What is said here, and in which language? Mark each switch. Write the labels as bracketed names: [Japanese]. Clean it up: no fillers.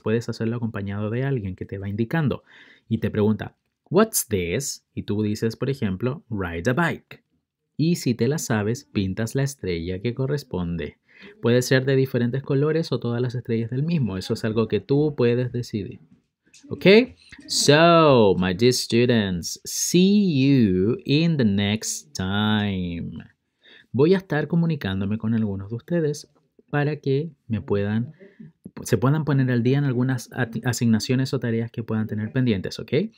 [Spanish] Puedes hacerlo acompañado de alguien que te va indicando y te pregunta, [English] what's this? [Spanish] Y tú dices, por ejemplo, [English] ride a bike. [Spanish] Y si te la sabes, pintas la estrella que corresponde. Puede ser de diferentes colores o todas las estrellas del mismo. Eso es algo que tú puedes decidir. ¿Ok? [English] So, my dear students, see you in the next time. [Spanish] Voy a estar comunicándome con algunos de ustedes para que se puedan poner al día en algunas asignaciones o tareas que puedan tener pendientes, ¿ok?